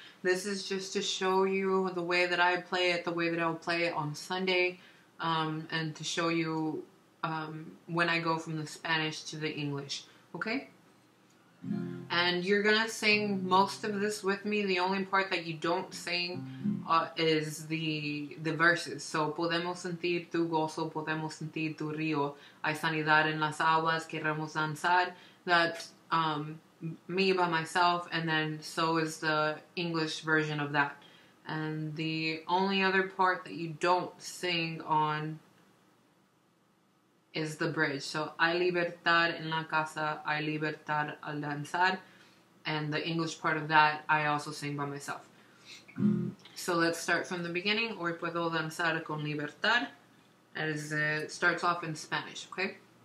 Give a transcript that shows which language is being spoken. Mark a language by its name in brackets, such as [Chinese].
[English] This is just to show you the way that I play it, the way that I'll play it on Sunday, and to show you when I go from the Spanish to the English, okay? And you're gonna sing most of this with me. The only part that you don't sing is the verses. [Spanish] So, podemos sentir tu gozo, podemos sentir tu río. Hay sanidad en las aguas, queremos danzar. [English] That's me by myself, and then so is the English version of that. And the only other part that you don't sing on is the bridge. [Spanish] So, hay libertad en la casa, hay libertad al danzar. [English] And the English part of that, I also sing by myself. So let's start from the beginning. [Spanish] Hoy puedo danzar con libertad. [English] As it starts off in Spanish, okay?